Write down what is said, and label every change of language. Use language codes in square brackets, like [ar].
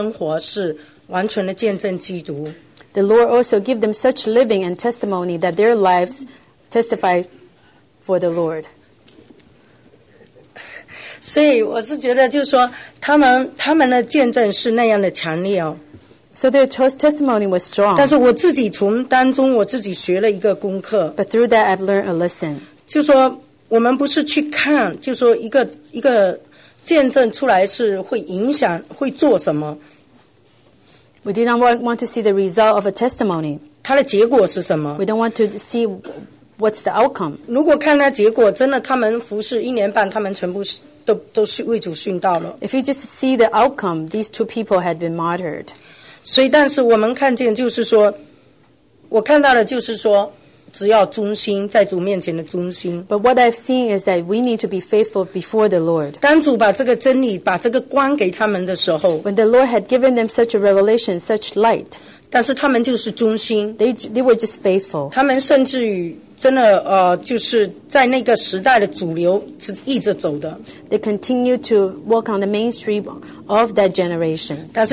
[zh] 并且他们,主给他们托付也是,就是说他们过了一种生活是完全的见证基督。 [en] The Lord also gave them such living and testimony that their lives testify for the Lord. [zh] 所以我是觉得就是说他们的见证是那样的强烈哦。 [en] So their testimony was strong. [zh] 但是我自己从当中我自己学了一个功课。 [en] But through that I've learned a lesson. [zh] 就是说我们不是去看,就是说一个见证出来是会影响,会做什么。 [en] We did not want to see the result of a testimony. [zh] 它的结果是什么? [en] We don't want to see what's the outcome. [zh] 如果看那结果,真的他们服侍一年半,他们全部 [en] If you just see the outcome, these two people had been martyred. [zh] 所以但是我们看见就是说, 我看到的就是说, 只要忠心, 在主面前的忠心。 [en] But what I've seen is that we need to be faithful before the Lord. [zh] 当主把这个真理, 把这个光给他们的时候, [en] when the Lord had given them such a revelation, such light, [zh] 但是他们就是忠心, [en] they were just faithful. [zh] 他们甚至于 真的就是在那个时代的主流是一直走的。 [en] They continue to walk on the mainstream of that generation.